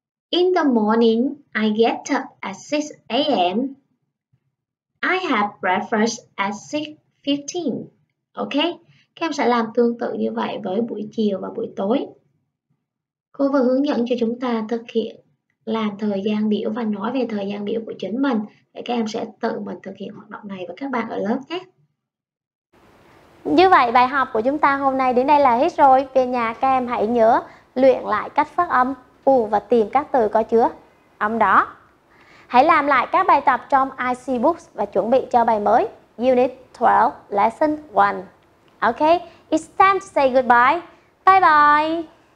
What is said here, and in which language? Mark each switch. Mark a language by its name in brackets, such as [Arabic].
[English] In the morning, I get up at 6 a.m. I have breakfast at 6:15. [Vietnamese] Ok, các em sẽ làm tương tự như vậy với buổi chiều và buổi tối. Cô vừa hướng dẫn cho chúng ta thực hiện làm thời gian biểu và nói về thời gian biểu của chính mình. Để các em sẽ tự mình thực hiện hoạt động này với các bạn ở lớp nhé. Như vậy, bài học của chúng ta hôm nay đến đây là hết rồi. Về nhà, các em hãy nhớ luyện lại cách phát âm U và tìm các từ có chứa âm đó. Hãy làm lại các bài tập trong IC Books và chuẩn bị cho bài mới. [English] Unit 12, Lesson 1. Ok, it's time to say goodbye. Bye bye.